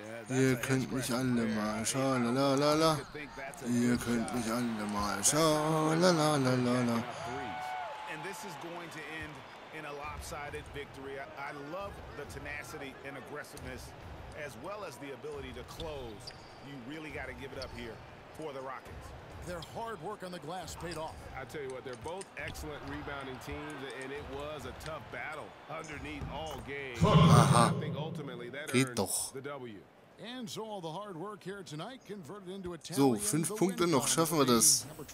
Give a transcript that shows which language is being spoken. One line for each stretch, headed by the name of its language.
German: Ihr könnt mich alle mal schauen, la la la. Ihr könnt mich alle mal schauen, la la la la la.
English: And this is going to end in a lopsided victory. I love the tenacity and aggressiveness as well as the ability to close. You really got to give it up here for the Rockets. Their hard work on the glass paid off. I tell you what, they're both excellent rebounding teams, and it was a tough battle underneath all game. Aha. I think ultimately that
German: geht
English: earned
German: doch
English: the W. And so all the hard work here tonight converted into a
German: so, 5 Punkte noch, schaffen wir das.